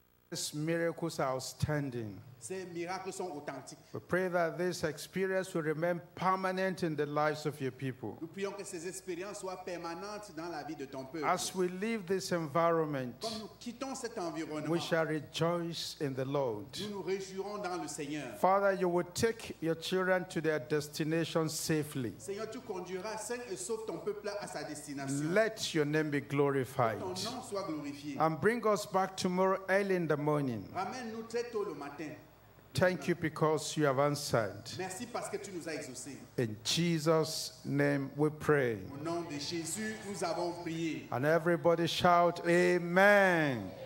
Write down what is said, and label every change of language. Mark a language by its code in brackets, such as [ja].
[en] These miracles are outstanding. [fr] Ces miracles sont authentiques. [en] We pray that this experience will remain permanent in the lives of your people. [fr] Nous prions que ces expériences soient permanentes dans la vie de ton peuple. [en] As we leave this environment, [fr] quand nous quittons cet environnement, [en] we shall rejoice in the Lord. [fr] Nous nous réjouirons dans le Seigneur. [en] Father, you will take your children to their destination safely. [fr] Seigneur, tu conduiras sain et sauf ton peuple à sa destination. [en] Let your name be glorified. [fr] Que ton nom soit glorifié. [en] And bring us back tomorrow early in the morning. [fr] Ramène-nous très tôt le matin. [en] Thank you because you have answered. [fr] Merci parce que tu nous as exaucé. [en] In Jesus' name we pray. [fr] Au nom de Jésus, nous avons prié. [en] And everybody shout Amen.